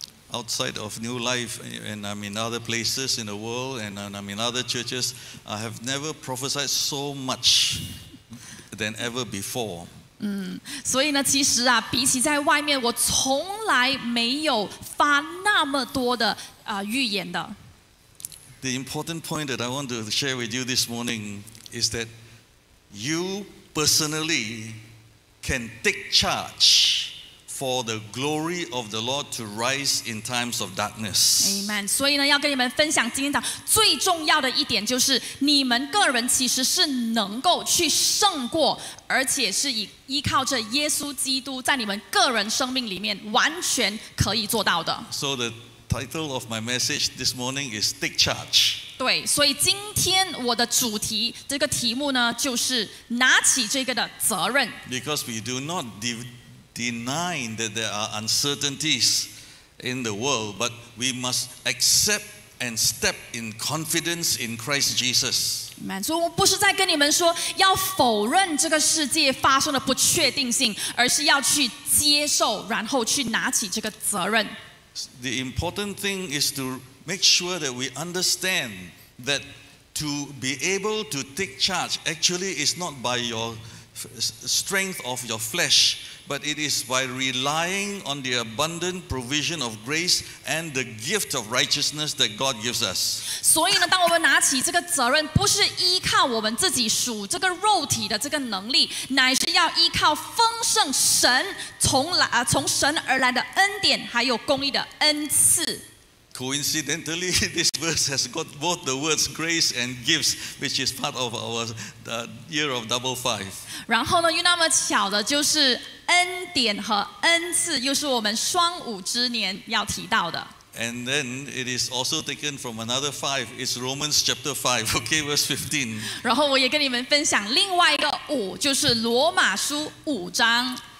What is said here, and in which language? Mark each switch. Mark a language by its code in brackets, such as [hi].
[en] Outside of New Life, and I'm in other places in the world, and I'm in other churches, I have never prophesied so much than ever before. [zh] 所以呢，其实啊，比起在外面，我从来没有发那么多的预言的。 [en] The important point that I want to share with you this morning is that you personally can take charge. For the glory of the Lord to rise in times of darkness. Amen. [zh] 所以呢，要跟你们分享今天讲最重要的一点就是，你们个人其实是能够去胜过，而且是依靠着耶稣基督在你们个人生命里面完全可以做到的。 [en] So the title of my message this morning is Take Charge. [zh] 对，所以今天我的主题这个题目呢，就是拿起这个的责任。 [en] Because we do not denying that there are uncertainties in the world, but we must accept and step in confidence in Christ Jesus. Amen. [zh] So, 我不是在跟你们说要否认这个世界发生的不确定性，而是要去接受，然后去拿起这个责任。 [en] The important thing is to make sure that we understand that to be able to take charge actually is not by your strength of your flesh. But it is by relying on the abundant provision of grace and the gift of righteousness that God gives us. [zh] 所以呢，当我们拿起这个责任，不是依靠我们自己属这个肉体的这个能力，乃是要依靠丰盛神从神而来的恩典，还有公义的恩赐。 [en] Coincidentally, this verse has got both the words grace and gifts, which is part of our year of double five. [zh] 然后呢，又那么巧的就是恩典和恩赐，又是我们双五之年要提到的。 [en] And then it is also taken from another five. It's Romans chapter 5, okay, verse 15. [zh] 然后我也跟你们分享另外一个五，就是罗马书五章。